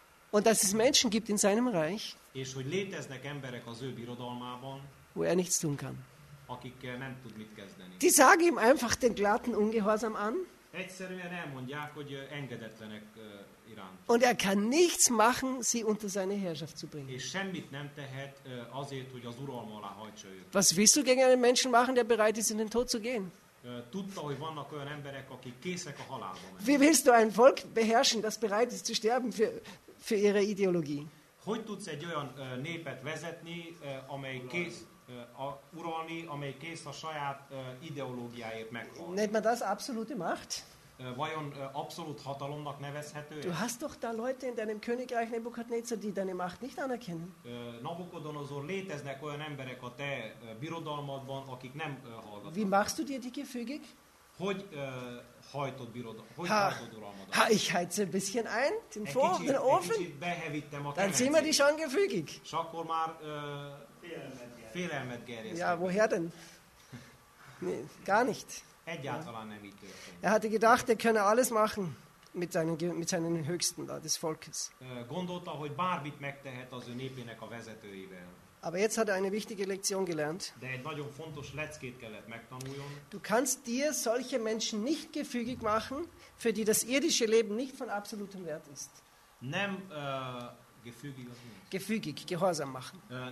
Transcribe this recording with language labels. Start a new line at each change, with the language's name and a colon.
German: Und dass es Menschen gibt in seinem Reich,
Hungarian: és hogy léteznek emberek az ő birodalmában,
German: wo er nichts tun kann.
Hungarian: Akik nem tud mit kezdeni.
German: Die sagen ihm einfach den glatten Ungehorsam an.
Hungarian: Egyszerűen elmondják, hogy engedetlenek iránt.
German: Und er kann nichts machen, sie unter seine Herrschaft zu bringen.
Hungarian: És semmit nem tehet azért, hogy az uralma alá hajtsa őt.
German: Was willst du gegen einen Menschen machen, der bereit ist, in den Tod zu gehen?
Hungarian: Tudta, hogy vannak olyan emberek, akik készek a halálba menni.
German: Wie willst du ein Volk beherrschen, das bereit ist zu sterben für ihre Ideologie?
Hungarian: Hogy tudsz egy olyan népet vezetni, amely kész a saját ideológiáért meghalni?
German: Nennt man das absolute Macht?
Hungarian: Vajon abszolút hatalomnak nevezhető?
German: Du hast doch da Leute in deinem Königreich Nebukadnezar, die deine Macht nicht anerkennen.
Hungarian: Nabukodonozor, léteznek olyan emberek a te birodalmadban, akik nem hallgatnak.
German: Wie machst du dir die gefügig?
Hungarian: Hogy hajtod birodalmat? Hogy hajtod uralmadat?
German: Ha, ich heize ein bisschen ein, den Vorhof, den Ofen.
Hungarian: Egy kicsit behevittem a kemencét.
German: Dann sind wir dich schon gefügig.
Hungarian: S akkor már félelmet gerjesztem.
German: Ja, woher denn? Nee, gar nicht.
Hungarian: Egyáltalán nem így történt.
German: Er hatte gedacht, er könne alles machen mit seinen Höchsten da, des Volkes.
Hungarian: Gondolta, hogy bármit megtehet az ő népének a vezetőivel.
German: Aber jetzt hat er eine wichtige Lektion gelernt.
Hungarian: De egy nagyon fontos leckét kellett megtanuljon.
German: Du kannst dir solche Menschen nicht gefügig machen, für die das irdische Leben nicht von absolutem Wert ist.
Hungarian: Nem gefügig az mi?
German: Gefügig, gehorsam machen.